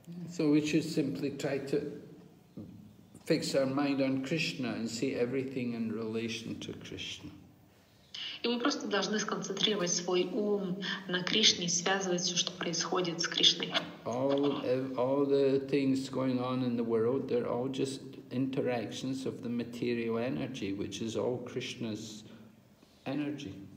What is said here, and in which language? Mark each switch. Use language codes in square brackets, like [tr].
[en] So we should simply try to fix our mind on Krishna and see everything in relation to Krishna. [ru] И мы просто должны сконцентрировать свой ум на Кришне и связывать все, что происходит с Кришной. [en] All the things going on in the world, they're all just interactions of the material energy, which is all Krishna's energy.